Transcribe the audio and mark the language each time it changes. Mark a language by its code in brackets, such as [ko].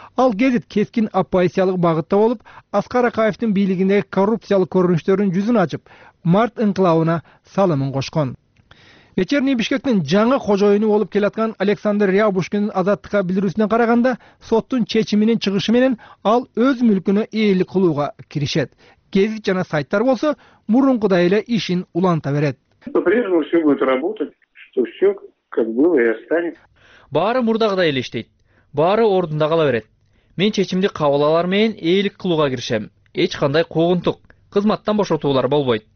[ky] Ал гезит кескин оппозициялык багытта болуп, Аскар Акаевдин бийлигиндеги коррупциялык көрүнүштөрүн жүзүн ачып, март инкылабына салымын кошкон. Вечерний Бишкектин жаңы кожоюну болуп келаткан Александр Рябушкиндин азаттыкка билдирүүсүнө караганда, соттун чечиминин чыгышы менен ал өз мүлкүнө ээлик кылууга киришет. Гезит жана сайттар болсо мурункудай эле ишин уланта берет. [ru] По-прежнему все будет работать, что все как было и останется. [ky] Баары мурдагыдай эле иштейт. Баары ордунда кала берет. Мен чечимди кабыл алар менен ээлик кылууга киришем. Эч кандай куугунтук, кызматтан бошотуулар болбойт.